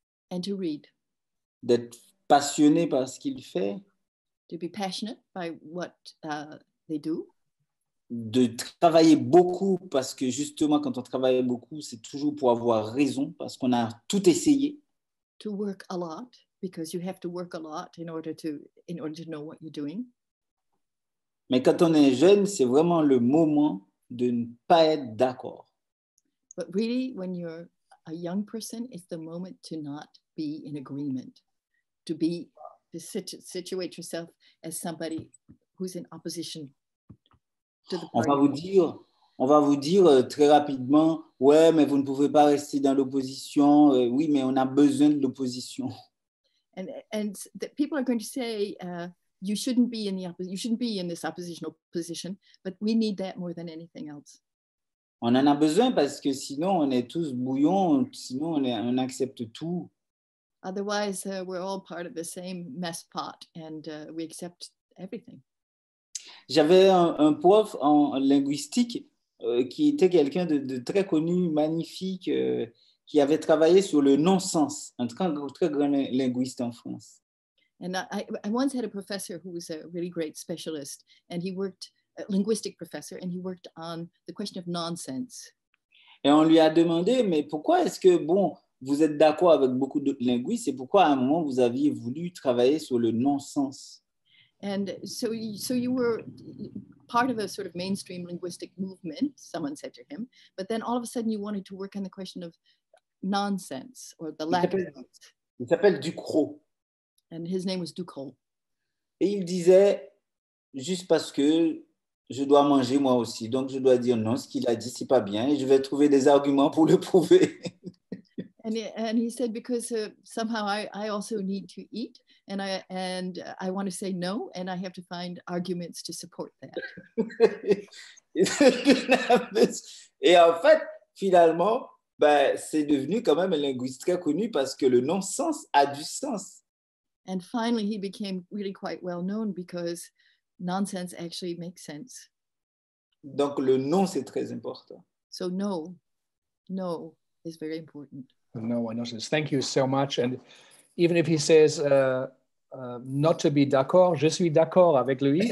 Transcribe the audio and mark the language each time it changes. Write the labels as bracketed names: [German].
[English] And to read. [French] D'être passionné par ce qu'il fait. [English] To be passionate by what they do. [French] De travailler beaucoup, parce que justement, quand on travaille beaucoup, c'est toujours pour avoir raison, parce qu'on a tout essayé. [English] To work a lot, because you have to work a lot in order to know what you're doing. [French] Mais quand on est jeune, c'est vraiment le moment de ne pas être d'accord. [English] But really, when you're a young person, it's the moment to not be in agreement, to situate yourself as somebody who's in opposition. [French] On va vous dire très rapidement, ouais, mais vous ne pouvez pas rester dans l'opposition. Oui, mais on a besoin de l'opposition. [English] And the people are going to say you shouldn't be in this oppositional position, but we need that more than anything else. [French] On en a besoin parce que sinon on est tous bouillons, sinon on accepte tout. [English] Otherwise, we're all part of the same mess pot and we accept everything. [French] J'avais un prof en linguistique qui était quelqu'un de très connu, magnifique, qui avait travaillé sur le non-sens, un très, très grand linguiste en France. [English] And I once had a professor who was a really great specialist, and he worked, a linguistic professor, and he worked on the question of nonsense. [French] Et on lui a demandé, mais pourquoi est-ce que, bon, vous êtes d'accord avec beaucoup de linguistes, et pourquoi à un moment vous aviez voulu travailler sur le non-sens? [English] And so you were part of a sort of mainstream linguistic movement, someone said to him, but then all of a sudden you wanted to work on the question of nonsense or the lack of sense. [French] Il s'appelle Ducrot. [English] And his name was Ducrot. [French] Et il disait, juste parce que je dois manger moi aussi, donc je dois dire non, ce qu'il a dit, c'est pas bien, et je vais trouver des arguments pour le prouver. [English] And he said, because somehow I also need to eat, and I want to say no, and I have to find arguments to support that. [French] Et en fait, finalement, ben, c'est devenu quand même un linguiste très connu parce que le non-sens a du sens. [English] And finally, he became really quite well known because nonsense actually makes sense. [French] Donc le non, c'est très important. [English] So no is very important. No, I know. Thank you so much. And even if he says not to be [French] d'accord, je suis d'accord avec lui.